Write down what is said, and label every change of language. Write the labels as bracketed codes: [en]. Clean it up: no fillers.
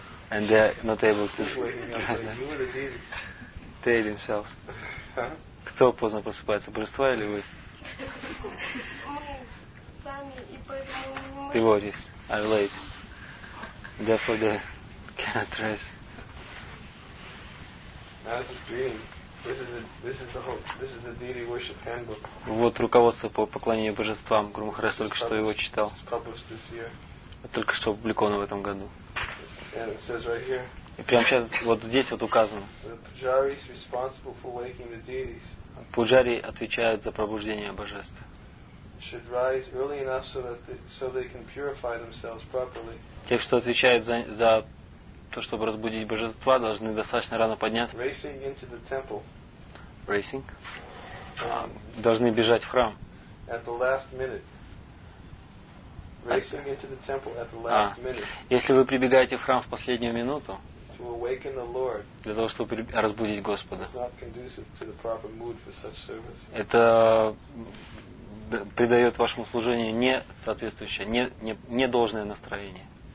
[en] And they are not able to tell themselves. [ru] Кто поздно просыпается, божества или вы? Мы сами, и поэтому мы не можем. [en] Devotees are late. Therefore, they cannot rest. Now, this is green. This is the deity worship handbook. [ru] Вот руководство по поклонению божествам. Гурмахарас только что его читал. [en] It's published this year. [ru] Только что опубликовано в этом году. [en] And it says right here. [ru] И прямо сейчас вот здесь вот указано. [en] The pujari is responsible for waking the deities. [ru] Пуджари отвечают за пробуждение божеств. [en] Should rise early enough so they can purify themselves properly. [ru] Те, кто отвечает за то, чтобы разбудить божества, должны достаточно рано подняться. [en] Racing into the temple. Racing? [ru] Должны бежать в храм. [en] At the last minute. Racing into the temple at the last minute. [ru] Если вы прибегаете в храм в последнюю минуту. [en] To to awaken the Lord. [ru] Для того, чтобы разбудить Господа. [en] It's not conducive to the proper mood for such service. [ru] Это придает вашему служению не соответствующее, не должное настроение.